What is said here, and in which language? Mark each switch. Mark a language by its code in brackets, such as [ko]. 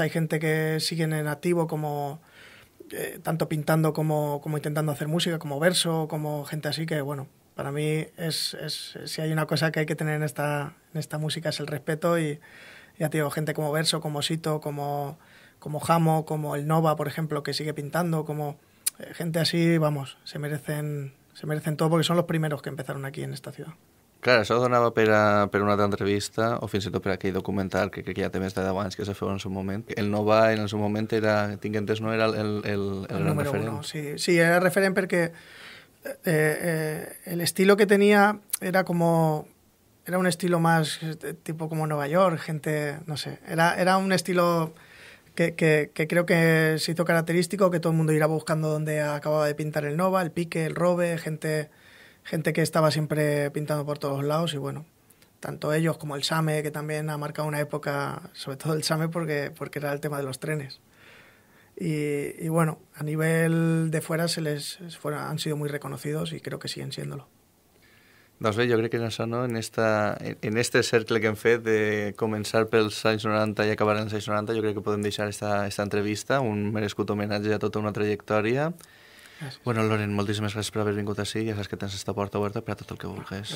[es] Hay gente que siguen en activo, como tanto pintando como intentando hacer música, como verso, como gente así, que bueno, para mí es si hay una cosa que hay que tener en esta música es el respeto. Y ya te digo, gente como Verso, como Sito, como Jamo, como el Nova, por ejemplo, que sigue pintando, como gente así, vamos, se merecen todo, porque son los primeros que empezaron aquí en esta ciudad. [ca] Clar, això donava per una altra entrevista, o fins i tot per aquell documental que crec que ja té més de 10 anys que se feu en el seu moment. El Nova en el seu moment era, tinc entès, no era el gran referent. [es] Sí, [ca] era referent perquè [es] el estilo que tenia era como... Era un estilo más tipo como Nueva York, gente, no sé. Era un estilo que creo que se hizo característico, que todo el mundo iba buscando donde acababa de pintar el Nova, el Pique, el Robe, gente que estaba siempre pintando por todos lados. Y bueno, tanto ellos como el Same, que también ha marcado una época, sobre todo el Same, porque era el tema de los trenes. Y bueno, a nivel de fuera han sido muy reconocidos y creo que siguen siéndolo. [ca] Doncs bé, jo crec que en això, no? en este cercle que hem fet de començar pels anys 90 i acabar en els anys 90, jo crec que podem deixar esta entrevista, un merescut homenatge a tota una trajectòria. Gràcies. Bueno, Loren, moltíssimes gràcies per haver vingut ací, ja saps que tens esta porta oberta per a tot el que vulguis.